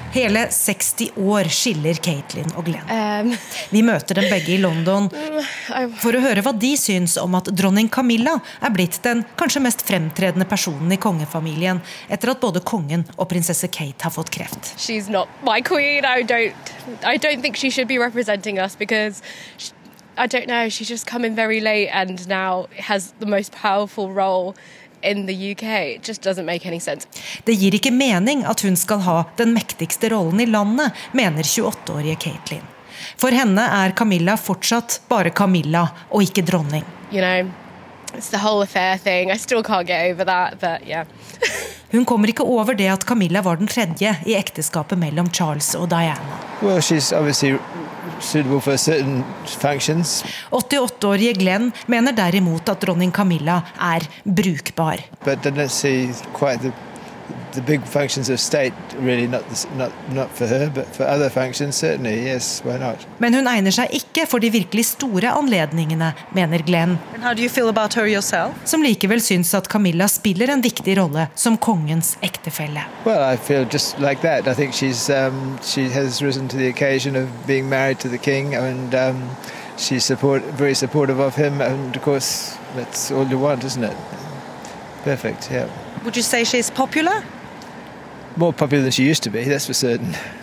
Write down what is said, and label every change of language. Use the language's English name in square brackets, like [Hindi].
[Norwegian] Hele 60 år skiller Caitlin og Glenn. Vi møter dem begge i London for å høre hva de syns om at dronning Camilla blitt den kanskje mest fremtredende personen i kongefamilien etter at både kongen og prinsesse Kate har fått kreft. [English] She's not my queen. I don't think she should be representing us because she, I don't know, she's just come in very late and now has the most powerful role. In the UK, it just doesn't make any sense. [Norwegian] Det gir ikke mening at hun skal ha den mektigste rollen i landet, mener 28-årige Caitlin. For henne Camilla fortsatt bare Camilla og ikke dronning. [English] You know, it's the whole affair thing. I still can't get over that, but yeah. [Norwegian] Hun kommer ikke over det at Camilla var den tredje i ekteskapet mellom Charles og Diana. [English] Well, she's obviously suitable for certain functions. [Norwegian] 88-årige Glenn mener derimot at dronning Camilla brukbar. [English] But doesn't she quite the big functions of state really not for her, but for other functions certainly. Yes, why not? [Norwegian] Men hun egner seg ikke for de virkelig store anledningene, mener Glenn. [English] And how do you feel about her yourself? [Norwegian] Som likevel syns at Camilla spiller en viktig rolle som kongens ektefelle. [English] Well, I feel just like that. I think she's she has risen to the occasion of being married to the king and she's very supportive of him and of course that's all you want, isn't it? Perfect, yeah. Would you say she's popular? More popular than she used to be, that's for certain.